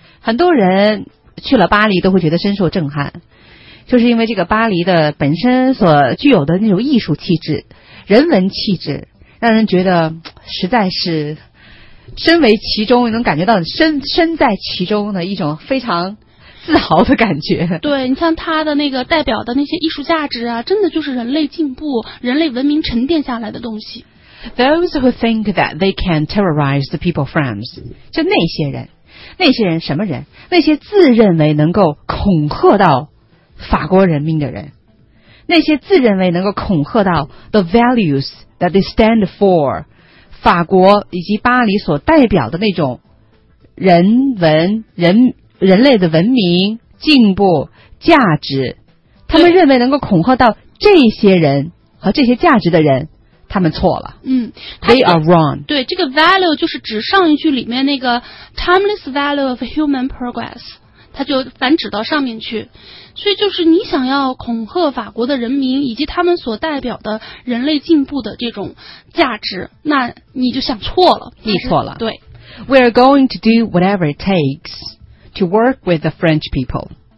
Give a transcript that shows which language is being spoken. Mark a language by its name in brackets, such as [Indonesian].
[Chinese] 很多人去了巴黎都会觉得深受震撼，就是因为这个巴黎的本身所具有的那种艺术气质、人文气质，让人觉得实在是身为其中，能感觉到身在其中的一种非常自豪的感觉。对，你像它的那个代表的那些艺术价值啊，真的就是人类进步、人类文明沉淀下来的东西。 [English] Those who think that they can terrorize the people of France， [Chinese] 就那些人什么人？那些自认为能够恐吓到法国人民的人，那些自认为能够恐吓到 [English] the values that they stand for， [Chinese] 法国以及巴黎所代表的那种人类的文明、进步、价值，他们认为能够恐吓到这些人和这些价值的人，他们错了。 [English] 嗯， they are wrong。 [Chinese] 对，这个 value 就是指上一句里面那个 [English] timeless value of human progress， [Chinese] 它就反指到上面去。所以就是你想要恐吓法国的人民以及他们所代表的人类进步的这种价值，那你就想错了。你错了。对， [English] We are going to do whatever it takes to work with the French people。